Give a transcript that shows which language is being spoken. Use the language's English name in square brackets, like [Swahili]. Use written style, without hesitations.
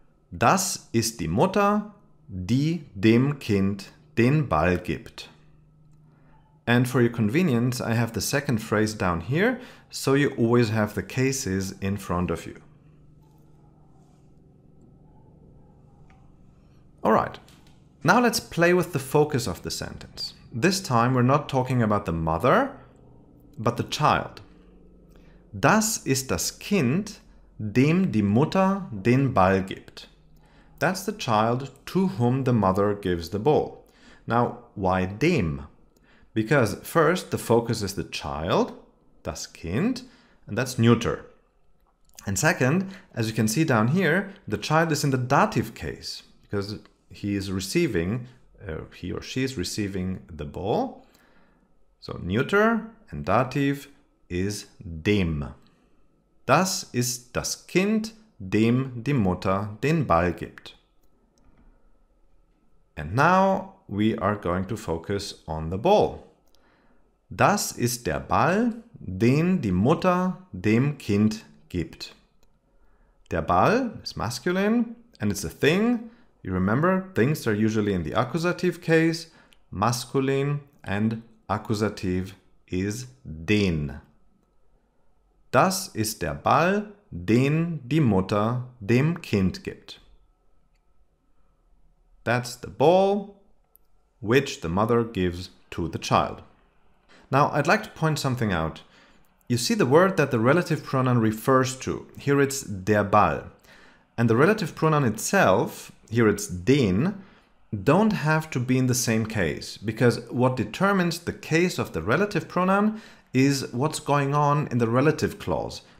[German] Das ist die Mutter, die dem Kind den Ball gibt. [English] And for your convenience, I have the second phrase down here, so you always have the cases in front of you. All right, now let's play with the focus of the sentence. This time we're not talking about the mother, but the child. [German] Das ist das Kind, dem die Mutter den Ball gibt. [English] That's the child to whom the mother gives the ball. Now, why dem? Because first the focus is the child, [German] das Kind, [English] and that's neuter. And second, as you can see down here, the child is in the dative case because he is receiving, he or she is receiving the ball. So neuter and dative is dem. [German] Das ist das Kind, dem die Mutter den Ball gibt. [English] And now we are going to focus on the ball. [German] Das ist der Ball, den die Mutter dem Kind gibt. Der Ball [English] is masculine and it's a thing. You remember, things are usually in the accusative case. Masculine and accusative is den. [German] Das ist der Ball, den die Mutter dem Kind gibt. [English] That's the ball which the mother gives to the child. Now, I'd like to point something out. You see the word that the relative pronoun refers to. Here it's [German] der Ball. [English] And the relative pronoun itself, here it's den, don't have to be in the same case, because what determines the case of the relative pronoun is what's going on in the relative clause.